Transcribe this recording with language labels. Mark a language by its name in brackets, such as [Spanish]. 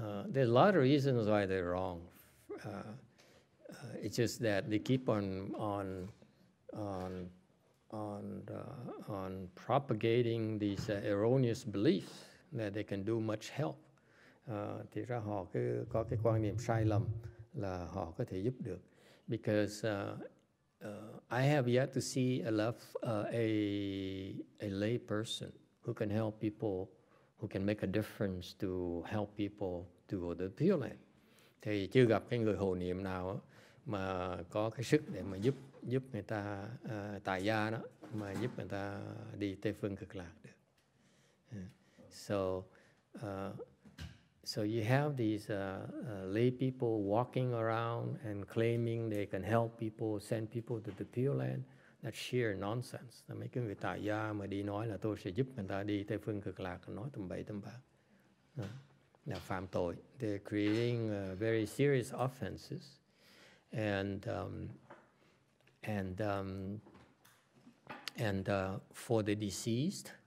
[English] there's a lot of reasons why they're wrong. It's just that they keep on propagating these erroneous beliefs that they can do much help. [Vietnamese] Thì ra họ cứ có cái quan niệm sai lầm là họ có thể giúp được. [English] Because I have yet to see a lay person who can help people, who can make a difference to help people to go to the Pure Land. [Vietnamese] Thì chưa gặp cái người hộ niệm nào mà có cái sức để mà giúp người ta tại gia đó mà giúp người ta đi Tây Phương Cực Lạc được. [English] So you have these lay people walking around and claiming they can help people, send people to the Pure Land. That's sheer nonsense. [Vietnamese] Là mấy cái người tại gia mà đi nói là tôi sẽ giúp người ta đi Tây Phương Cực Lạc, nói tầm bậy tầm bạ. Là phạm tội. [English] They're creating very serious offenses. And for the deceased,